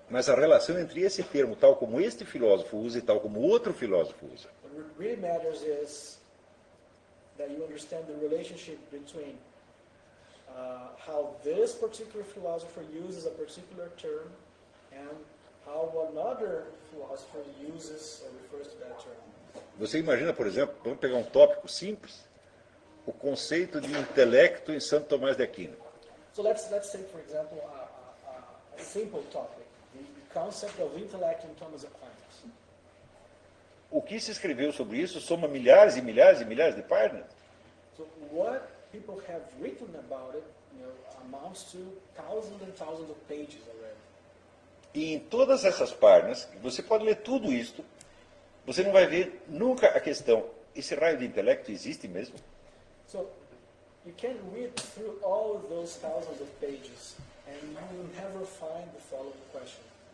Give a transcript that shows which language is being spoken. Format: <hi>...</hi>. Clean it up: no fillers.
<pt>mas a relação entre esse termo, tal como este filósofo usa e tal como outro filósofo usa.</pt> <en>What really matters is that you understand the relationship between how this particular philosopher uses a particular term and how another philosopher uses or refers to that term.</en> <pt>Você imagina, por exemplo, vamos pegar um tópico simples, o conceito de intelecto em Santo Tomás de Aquino.</pt> <en>So let's take, for example, a simple topic, the concept of intellect in Thomas Aquinas.</en> <pt>O que se escreveu sobre isso soma milhares e milhares e milhares de páginas.</pt> <en>So what people have written about it, you know, amounts to thousands and thousands of pages already.</en> <pt>E em todas essas páginas, você pode ler tudo isto. Você não vai ver nunca a questão, esse raio de intelecto existe mesmo?</pt> <en>So, you can read through all of those thousands of pages and you will never find the following question.</en>